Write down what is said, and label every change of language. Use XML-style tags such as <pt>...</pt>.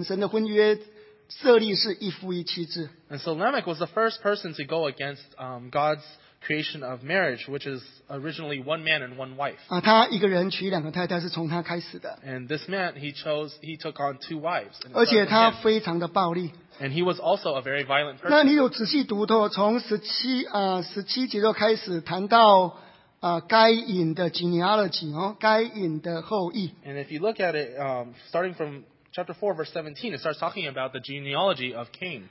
<zh>这个拉麦是第一个违反神婚约规定的人，神的婚约设立是一夫一妻制。</zh> <en>And so Lamech was the first person to go against God's creation of marriage, which is originally one man and one wife.</en> <zh>他一个人娶两个太太是从他开始的。</zh> <en>And this man, he took on two wives.</en> <zh>而且他非常的暴力。</zh> <en>And he was also a very violent person.</en> <zh>那你有仔细读透，从十七节就开始谈到该隐的genealogy，该隐的后裔。</zh> <en>And if you look at it, starting from chapter 4, verse 17, it starts talking about the genealogy of Cain.</en>